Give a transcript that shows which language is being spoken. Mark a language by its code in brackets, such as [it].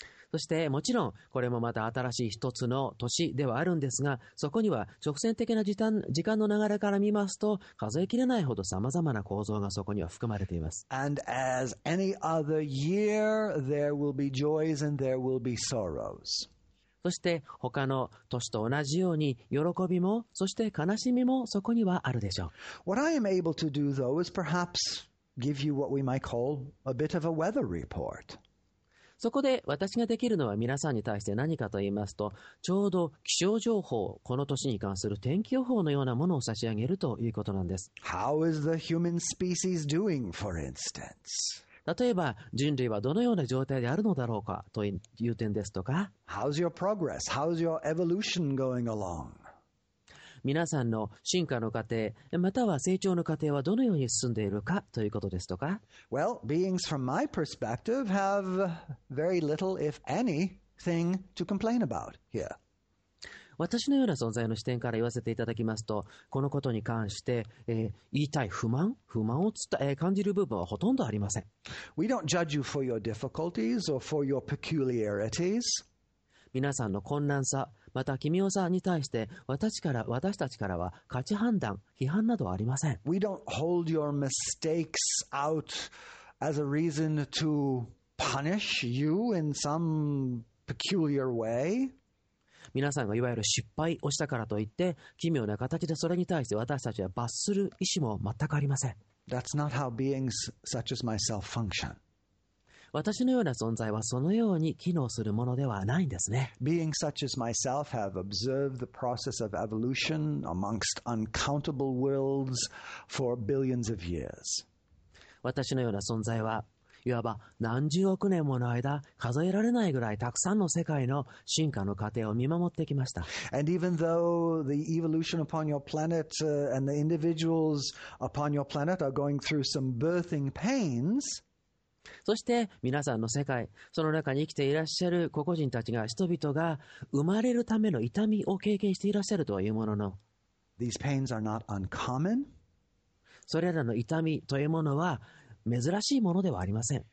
[ja] そしてもちろんこれもまた新しい一つの年ではあるんですが、そこには直線的な時間の流れから見ますと数え切れないほど様々な構造がそこには含まれています。 [en] And as any other year, there will be joys and there will be sorrows. [ja] そして他の年と同じように喜びもそして悲しみもそこにはあるでしょう。 [en] What I am able to do though is perhaps give you what we might call a bit of a weather report. [ja] そこで私ができるのは皆さんに対して何かと言いますと、ちょうど気象情報、この年に関する天気予報のようなものを差し上げるということなんです。 [en] How is the human species doing, for instance? [ja] 例えば人類はどのような状態であるのだろうかという点ですとか、 [en] How's your progress? How's your evolution going along? [ja] 皆さんの進化の過程または成長の過程はどのように進んでいるかということですとか、 [en] Well, beings from my perspective have very little, if anything, to complain about here. [ja] 私のような存在の視点から言わせていただきますと、このことに関して、言いたい不満を感じる部分はほとんどありません。 [en] We don't judge you for your difficulties or for your peculiarities. [ja] 皆さんの困難さ、また奇妙さに対して私たちからは価値判断、批判などはありません。 [en] We don't hold your mistakes out as a reason to punish you in some peculiar way. [ja] 皆さんがいわゆる失敗をしたからといって、奇妙な形でそれに対して私たちは罰する意思も全くありません。 [en] That's not how beings such as myself function. [ja] 私のような存在はそのように機能するものではないんですね。 [en] Beings such as myself have observed the process of evolution amongst uncountable worlds for billions of years. [ja] 私のような存在はいわば何十億年もの間、数えられないぐらいたくさんの世界の進化の過程を見守ってきました。 [en] And even though the evolution upon your planet and the individuals upon your planet are going through some birthing pains, [ja] そして皆さんの世界、その中に生きていらっしゃる個々人たちが、人々が生まれるための痛みを経験していらっしゃるというものの、 [en] These pains are not uncommon. [ja] それらの痛みというものは、珍しいものではありません。